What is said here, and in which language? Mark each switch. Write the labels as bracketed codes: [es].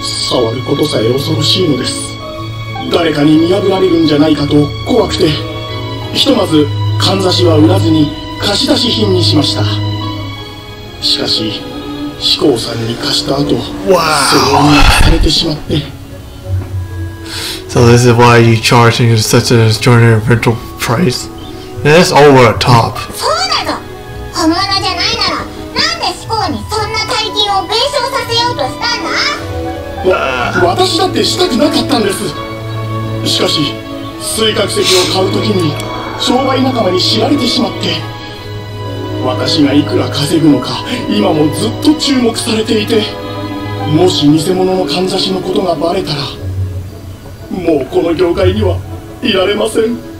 [ja] 触ることさえ恐ろしいのです。誰かに見破られるんじゃないかと怖くて、ひとまずかんざしは売らずに貸し出し品にしました。しかし志向さんに貸した後、それに貸されてしまって。 [en] So this is why you charge me such an extraordinary rental price. That's over the top. [ja] そうだぞ。本物じゃないなら、なんで志向にそんな大金を弁償させようとしたんだ。私だってしたくなかったんです。しかし水角石を買うときに商売仲間に知られてしまって、私がいくら稼ぐのか今もずっと注目されていて、もし偽物のかんざしのことがバレたら、もうこの業界にはいられません。